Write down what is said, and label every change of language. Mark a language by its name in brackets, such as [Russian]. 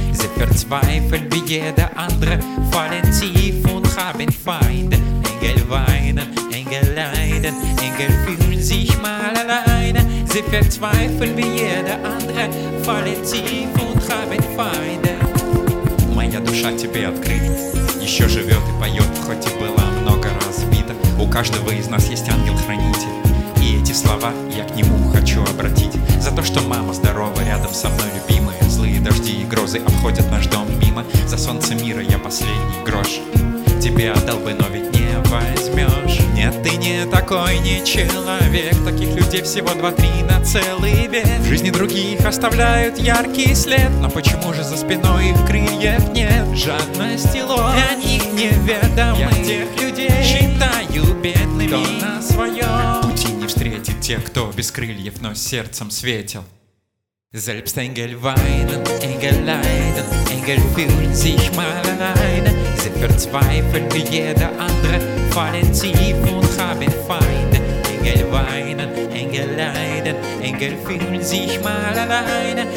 [German] Sie verzweifeln wie jeder andere, fallen tief und haben Feinde. Engel weinen, Engel leiden, Engel fühlen sich mal alleine. Sie verzweifeln wie jeder andere, fallen tief und haben Feinde. [Russian] Моя душа тебе открыта, еще живет и поет, хоть и была много разбита. У каждого из нас есть ангел-хранитель. И эти слова я к нему хочу обратить. За то, что мама здорова, рядом со мной любимая. Злые дожди и грозы обходят наш дом мимо. За солнце мира я последний грош. Тебе отдал бы, но ведь не возьмешь. Нет, ты не такой, не человек. Таких людей всего 2-3 на целый век. В жизни других оставляют яркий след. Но почему же за спиной их крыльев нет? Жадность и ложь для них неведомы. Я тех людей считаю бедными, кто на своем пути не встретит тех, кто без крыльев, но сердцем светил. [German] Selbst Engel weinen, Engel leiden, Engel fühlen sich mal alleine. Sie verzweifeln wie jeder andere, fallen tief und haben Feinde. Engel weinen, Engel leiden, Engel fühlen sich mal alleine.